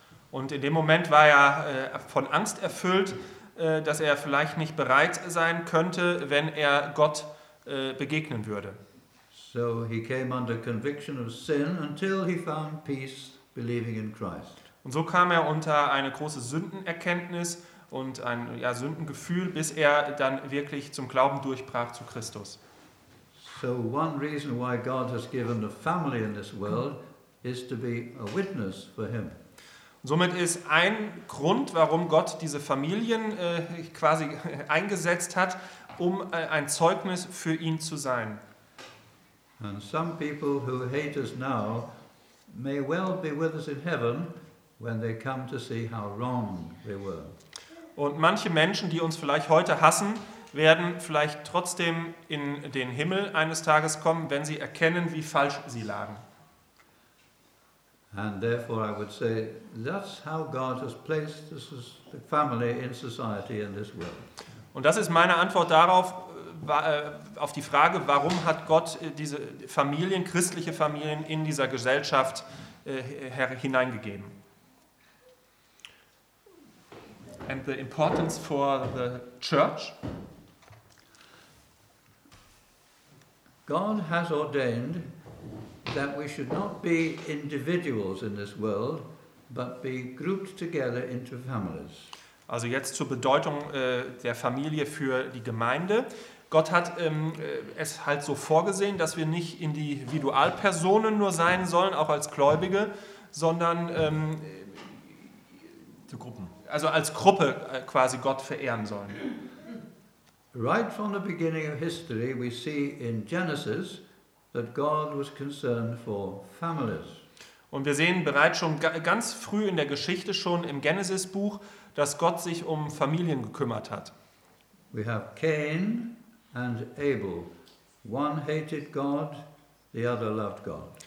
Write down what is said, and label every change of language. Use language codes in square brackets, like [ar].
[de] Und in dem Moment war er von Angst erfüllt, dass er vielleicht nicht bereit sein könnte, wenn er Gott begegnen würde. [en] So he came under conviction of sin until he found peace believing in Christ. [de] Und so kam er unter eine große Sündenerkenntnis und ein ja, Sündengefühl, bis er dann wirklich zum Glauben durchbrach zu Christus. [en] So one reason why God has given a family in this world is to be a witness for him. [de] Somit ist ein Grund, warum Gott diese Familien quasi eingesetzt hat, um ein Zeugnis für ihn zu sein. [en] And some people who hate us now may well be with us in heaven when they come to see how wrong they were. [de] Und manche Menschen, die uns vielleicht heute hassen, werden vielleicht trotzdem in den Himmel eines Tages kommen, wenn sie erkennen, wie falsch sie lagen. [en] And therefore I would say that's how God has placed this family in society in this world. [de] Und das ist meine Antwort darauf, auf die Frage, warum hat Gott diese Familien, christliche Familien in dieser Gesellschaft hineingegeben. [en] And the importance for the church. God has ordained that we should not be individuals in this world, but be grouped together into families. [de] Also jetzt zur Bedeutung der Familie für die Gemeinde. Gott hat es halt so vorgesehen, dass wir nicht Individualpersonen nur sein sollen, auch als Gläubige, sondern zu Gruppen. Also als Gruppe quasi Gott verehren sollen. [en] Right from the beginning of history we see in Genesis that God was concerned for families. [de] Und wir sehen bereits schon ganz früh in der Geschichte, schon im Genesis-Buch, dass Gott sich um Familien gekümmert hat. [en] We have Cain and Abel. One hated God, the other loved God.